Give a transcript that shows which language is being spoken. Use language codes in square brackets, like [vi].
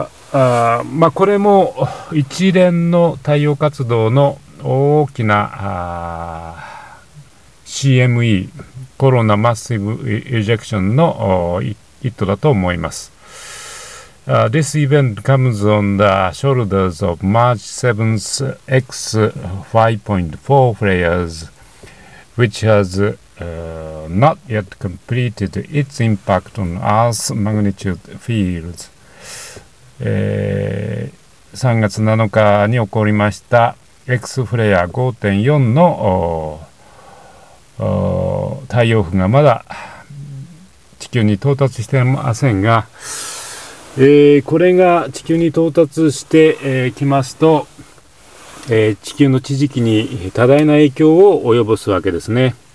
[ja] これも一連の太陽活動の大きな CME コロナマッシブエジェクションの一途だと思います。 [en] This event comes on the shoulders of March 7th X5.4 flares, which has not yet completed its impact on Earth's magnitude fields. [ja] 3月7日に起こりました X フレア 5.4 の太陽風がまだ地球に到達していませんが、これが地球に到達してきますと、地球の地磁気に多大な影響を及ぼすわけですね。